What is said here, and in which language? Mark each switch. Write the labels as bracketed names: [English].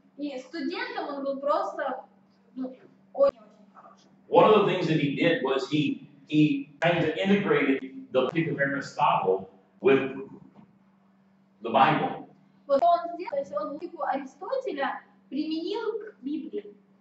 [Russian] И студентом он был просто, ну, очень-очень хорошим. [English] One of the things that he did was he kind of integrated the book of Aristotle with the Bible. [Russian] Вот что он сделал, то есть он книгу Аристотеля применил к Библии.